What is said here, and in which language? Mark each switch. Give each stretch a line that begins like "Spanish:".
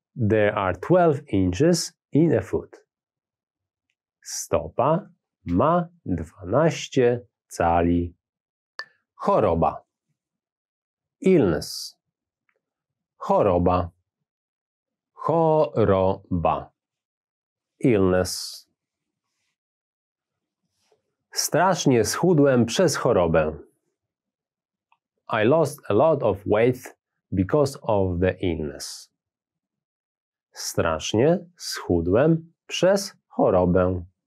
English: There are 12 inches in a foot.
Polish: Stopa ma 12 cali. Choroba. Illness. Choroba.
English: Choroba. Illness.
Polish: Strasznie schudłem przez chorobę.
English: I lost a lot of weight because of the illness.
Polish: Strasznie schudłem przez chorobę.